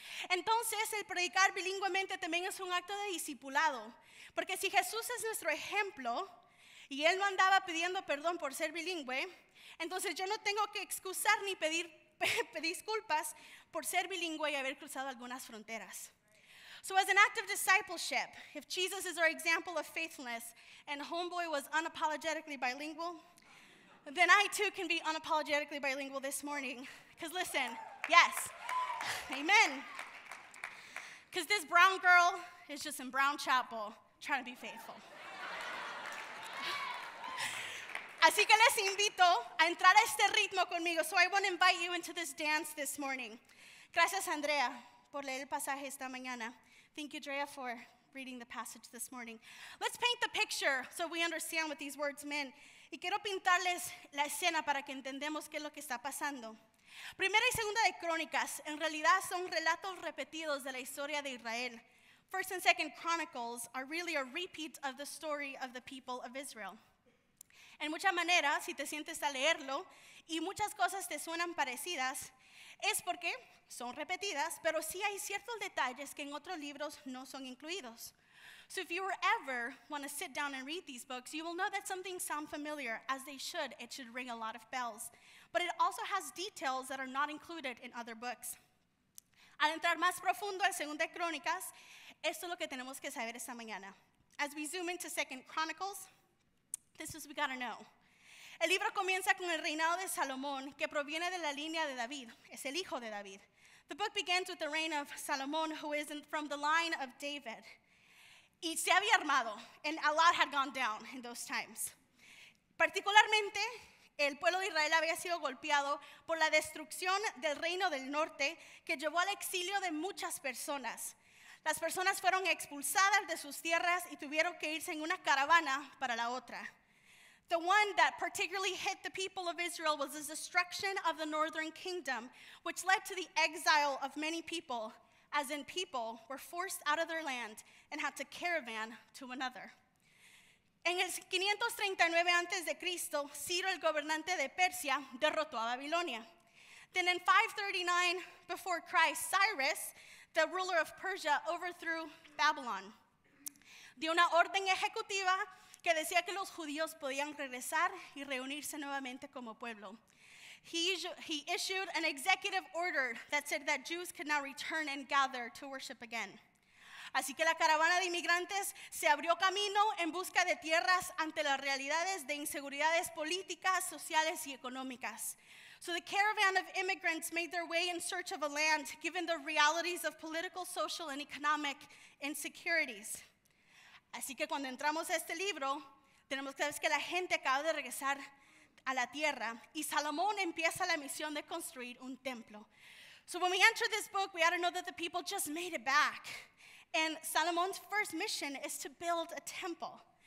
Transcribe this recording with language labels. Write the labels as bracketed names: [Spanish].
[Spanish] Entonces, el predicar bilingüemente también es un acto de discipulado, porque si Jesús es nuestro ejemplo, y él no andaba pidiendo perdón por ser bilingüe, entonces yo no tengo que excusar ni pedir disculpas por ser bilingüe y haber cruzado algunas fronteras. [English] So as an act of discipleship, if Jesus is our example of faithfulness, and homeboy was unapologetically bilingual, then I too can be unapologetically bilingual this morning. Because listen, yes, amen. Because this brown girl is just in Brown Chapel trying to be faithful. [Spanish] Así que les invito a entrar a este ritmo conmigo. [English] So I want to invite you into this dance this morning. [Spanish] Gracias, Andrea, por leer el pasaje esta mañana. [English] Thank you, Drea, for reading the passage this morning. Let's paint the picture so we understand what these words mean. [Spanish] Y quiero pintarles la escena para que entendamos qué es lo que está pasando. Primera y segunda de Crónicas, en realidad son relatos repetidos de la historia de Israel. [English] First and Second Chronicles are really a repeat of the story of the people of Israel. [Spanish] En mucha manera, si te sientes a leerlo y muchas cosas te suenan parecidas, es porque son repetidas, pero sí hay ciertos detalles que en otros libros no son incluidos. [English] So if you were ever want to sit down and read these books, you will know that some things sound familiar, as they should. It should ring a lot of bells. But it also has details that are not included in other books. [Spanish] Al entrar más profundo en Segunda Crónicas, esto es lo que tenemos que saber esta mañana. [English] As we zoom into Second Chronicles, this is what we got to know. [Spanish] El libro comienza con el reinado de Salomón, que proviene de la línea de David, es el hijo de David. [English] The book begins with the reign of Solomon, who is from the line of David. [Spanish] Y se había armado, [English] and a lot had gone down in those times. [Spanish] Particularmente, el pueblo de Israel había sido golpeado por la destrucción del reino del norte, que llevó al exilio de muchas personas. Las personas fueron expulsadas de sus tierras y tuvieron que irse en una caravana para la otra. [English] The one that particularly hit the people of Israel was the destruction of the northern kingdom, which led to the exile of many people, as in people were forced out of their land and had to caravan to another. [Spanish] En el 539 a.C., Ciro, el gobernante de Persia, derrotó a Babilonia. [English] Then in 539 before Christ, Cyrus, the ruler of Persia, overthrew Babylon. [Spanish] Dio una orden ejecutiva que decía que los judíos podían regresar y reunirse nuevamente como pueblo. [English] He issued an executive order that said that Jews could now return and gather to worship again. [Spanish] Así que la caravana de inmigrantes se abrió camino en busca de tierras ante las realidades de inseguridades políticas, sociales y económicas. [English] So the caravan of immigrants made their way in search of a land given the realities of political, social, and economic insecurities. [Spanish] Así que cuando entramos a este libro, tenemos que ver que la gente acaba de regresar a la tierra y Salomón empieza la misión de construir un templo. [English] So when we enter this book, we ought to know that the people just made it back. And Salomón's first mission is to build a temple.